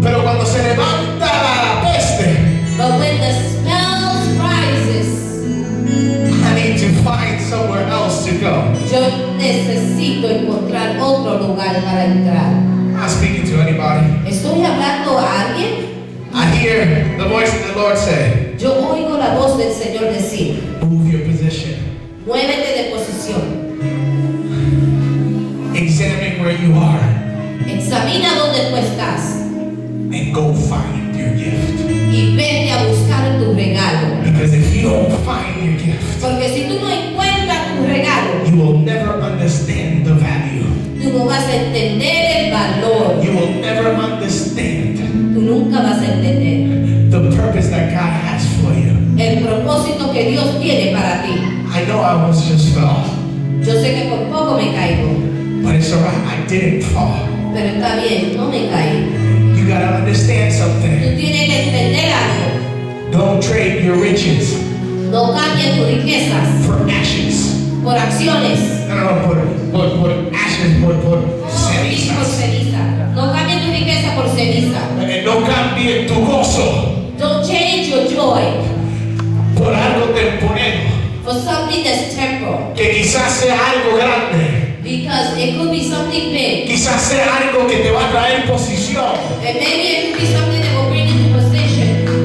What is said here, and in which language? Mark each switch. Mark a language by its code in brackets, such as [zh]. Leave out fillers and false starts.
[es] Pero cuando se levanta la peste, [en] but when the smell rises, I need to find somewhere else to go. [es] Yo necesito encontrar otro lugar para entrar. [en] I'm not speaking to anybody. [es] Estoy hablando a alguien. [en] I hear the voice of the Lord say. [es] Yo oigo la voz del Señor decir. [en] Move your position. [es] Muévete de posición. [en] Examine where you are. [es] Examina donde tú estás. [en] And go find your gift. [es] Y vete a buscar tu regalo. [en] Because if you don't find your gift, [es] porque si tú no encuentras tu regalo, [en] you will never understand the value. [es] Tú no vas a entender el valor. [en] You will never understand. [es] Tú nunca vas a entender. [en] The purpose that God has for you. [es] El propósito que Dios tiene para ti. [en] I know I almost just fell. [es] Yo sé que por poco me caigo. [en] But it's alright, I didn't fall. [es] Pero está bien, no me caí. [en] You got to understand something. [es] Tú tienes que entender algo. [en] Don't trade your riches. [es] No cambies tus riquezas. [en] For ashes. [es] Por acciones. No, por ashes, por ceniza. Por ceniza. No cambies tu riqueza por ceniza. And no cambies tu gozo. [en] Don't change your joy. [es] Por algo temporero. [en] For something that's temporal. [es] Que quizás sea algo grande. [en] Because it could be something big. [es] Quizás sea algo que te va a traer posición. [en] And maybe it could be something that will bring you to position.